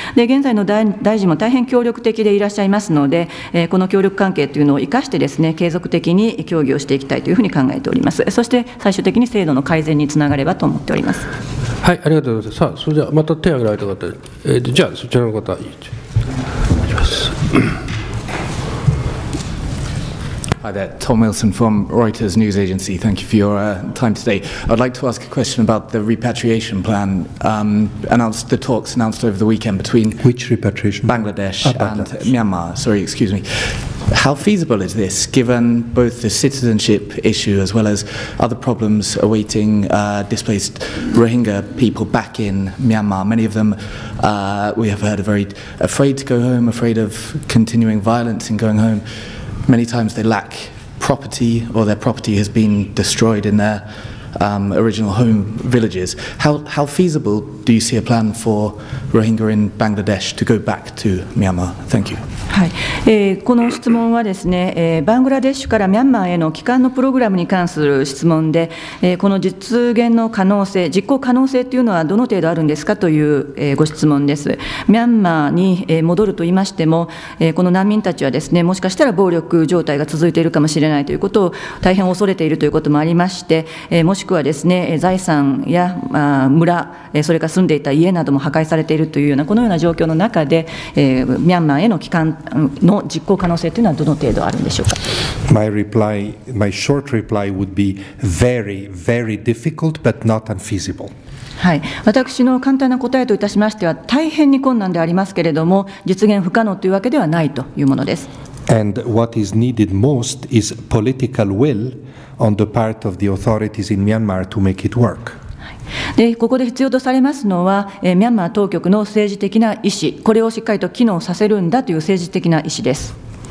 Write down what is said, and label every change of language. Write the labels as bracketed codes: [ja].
[ja] で、現在の 大臣も大変協力的でいらっしゃいますので、この協力関係というのを生かしてですね、継続的に協議をしていきたいというふうに考えております。そして最終的に制度の改善につながればと思っております。はい、ありがとうございます。さあ、それではまた手を挙げられた方、じゃあそちらの方お願いします。 [en] Hi there, Tom Wilson from Reuters News Agency. Thank you for your time today. I'd like to ask a question about the repatriation plan, announced, the talks announced over the weekend between... Which repatriation? Bangladesh and Myanmar. Sorry, excuse me. How feasible is this, given both the citizenship issue as well as other problems awaiting displaced Rohingya people back in Myanmar? Many of them, we have heard, are very afraid to go home, afraid of continuing violence in going home. Many times they lack property, or their property has been destroyed in their original home villages. How feasible do you see a plan for Rohingya in Bangladesh to go back to Myanmar? Thank you. [ja] はい、この質問はですね、バングラデシュからミャンマーへの帰還のプログラムに関する質問で、この実現の可能性、実行可能性というのはどの程度あるんですかという、ご質問です。ミャンマーに、戻ると言いましても、この難民たちはですね、もしかしたら暴力状態が続いているかもしれないということを大変恐れているということもありまして、もしくはですね、財産や、村、それから住んでいた家なども破壊されているというようなこのような状況の中で、ミャンマーへの帰還の実行可能性というのはどの程度あるんでしょうか。 [en] My reply, my short reply would be very, very difficult but not unfeasible. [ja] はい、私の簡単な答えといたしましては大変に困難でありますけれども実現不可能というわけではないというものです。 [en] And what is needed most is political will on the part of the authorities in Myanmar to make it work. [ja] でここで必要とされますのは、ミャンマー当局の政治的な意思、これをしっかりと機能させるんだという政治的な意思です。